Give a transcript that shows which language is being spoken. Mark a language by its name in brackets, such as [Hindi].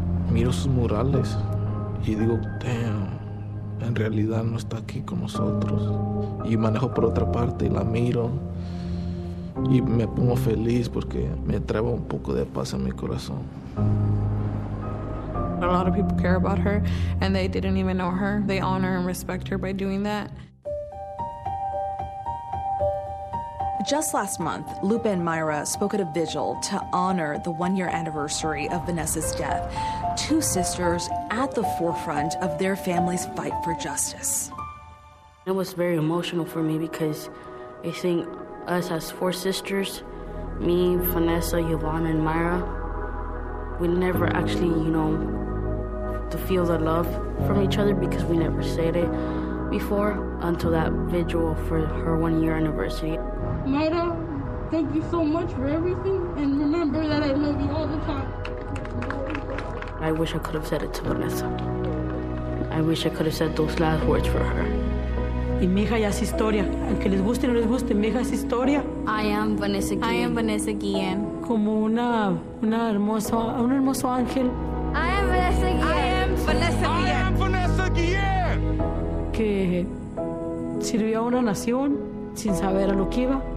[Spanish] miro sus murales y digo, damn, en realidad no está aquí con nosotros. Y manejo por otra parte y la miro y me pongo feliz porque me atrevo un poco de paz en mi corazón. [English] A lot of people care about her and they didn't even know her. They honor and respect her by doing that. Just last month, Lupe and Myra spoke at a vigil to honor the one-year anniversary of Vanessa's death. Two sisters at the forefront of their family's fight for justice. It was very emotional for me because I think us as four sisters, me, Vanessa, Yvonne, and Myra, we never actually, you know, to feel the love from each other because we never said it before until that vigil for her one-year anniversary. Myra, thank you so much for everything, and remember that I love you all the time. I wish I could have said it to Vanessa. I wish I could have said those last words for her. [Spanish] Y mi hija ya es historia. Aunque les guste o no les guste, mi hija es historia. [English] I am Vanessa Guillen. I am Vanessa Guillen. [Spanish] Como un hermoso ángel. [English] I am Vanessa Guillen. I am Vanessa Guillen. I am Vanessa Guillen. [Spanish] Que sirvió a una nación sin saber a lo que iba.